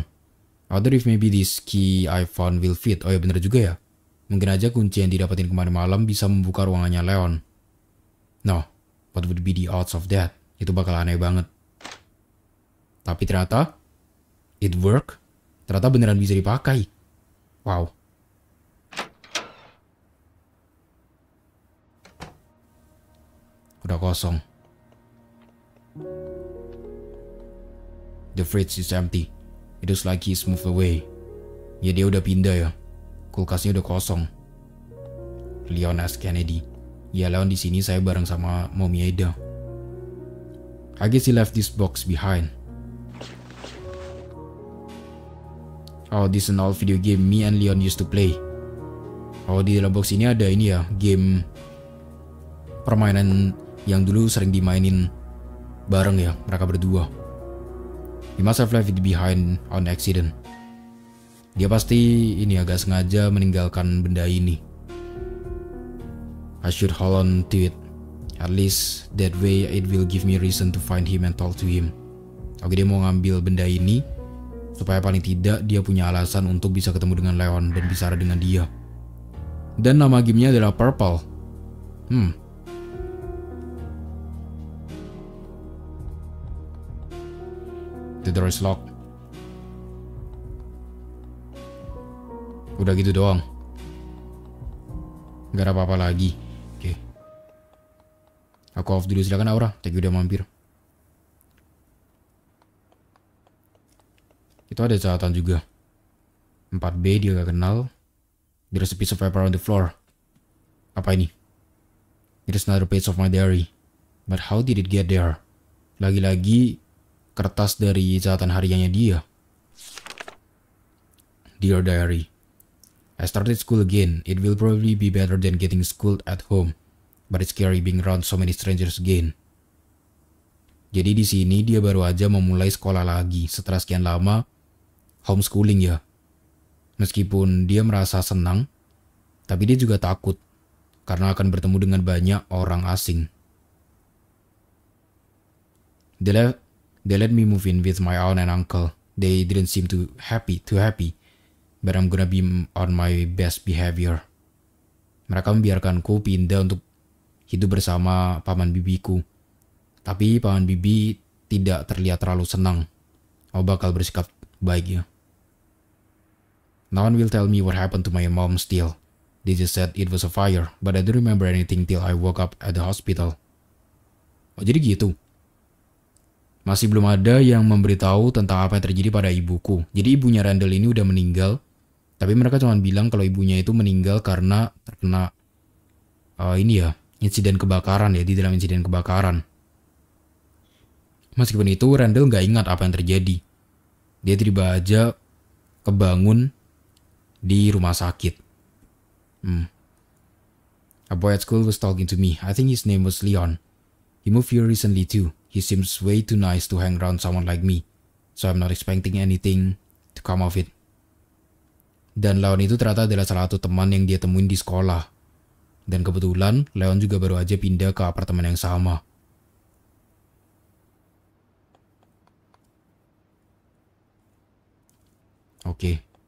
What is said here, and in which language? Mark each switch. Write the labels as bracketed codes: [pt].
[en] I wonder if maybe this key I found will fit. [id] Oh ya, bener juga ya. Mungkin aja kunci yang didapatin kemarin malam bisa membuka ruangannya Leon. [en] No, what would be the odds of that? [id] Itu bakal aneh banget. Tapi ternyata, [en] it work. [id] Ternyata beneran bisa dipakai. Wow. Udah kosong. [en] The fridge is empty. It looks like he's moved away. [id] Ya dia udah pindah ya. Kulkasnya udah kosong. [en] Leon S. Kennedy. [id] Ya Leon di sini saya bareng sama Mommy Ada. [en] I guess he left this box behind. Oh, this is an old video game me and Leon used to play. [id] Oh, di dalam box ini ada ini ya, game permainan yang dulu sering dimainin bareng ya, mereka berdua. [en] He must have left it behind on accident. [id] Dia pasti ini agak sengaja meninggalkan benda ini. [en] I should hold on to it. At least that way it will give me reason to find him and talk to him. [id] Oke, dia mau ngambil benda ini supaya paling tidak dia punya alasan untuk bisa ketemu dengan Leon dan bicara dengan dia. Dan nama gamenya adalah Purple. [en] The door is locked. [id] Udah gitu doang. Gak ada apa-apa lagi. Aku off dulu, silakan Aura. Thank you udah mampir. Itu ada catatan juga. 4B dia gak kenal. [en] There's a piece of paper on the floor. [id] Apa ini? [en] There's another page of my diary. But how did it get there? Lagi-lagi kertas dari catatan hariannya dia. Dear diary, I started school again. It will probably be better than getting schooled at home. But it's scary being around so many strangers again. Jadi di sini dia baru aja memulai sekolah lagi setelah sekian lama homeschooling ya. Meskipun dia merasa senang, tapi dia juga takut karena akan bertemu dengan banyak orang asing. They let me move in with my aunt and uncle. They didn't seem too happy, but I'm gonna be on my best behavior. Mereka membiarkanku pindah untuk hidup bersama paman bibiku. Tapi paman bibi tidak terlihat terlalu senang. [id] Oh, bakal bersikap baik ya. [en] No one will tell me what happened to my mom still. They just said it was a fire, but I don't remember anything till I woke up at the hospital. [id] Oh, jadi gitu. Masih belum ada yang memberitahu tentang apa yang terjadi pada ibuku. Jadi ibunya Randall ini udah meninggal, tapi mereka cuma bilang kalau ibunya itu meninggal karena terkena insiden kebakaran. Meskipun itu, Randall nggak ingat apa yang terjadi. Dia tiba-tiba aja kebangun di rumah sakit. [en] A boy at school was talking to me. I think his name was Leon. He moved here recently too. He seems way too nice to hang around someone like me. So I'm not expecting anything to come of it. [id] Dan Leon itu ternyata adalah salah satu teman yang dia temuin di sekolah. Dan kebetulan, Leon juga baru aja pindah ke apartemen yang sama. Oke.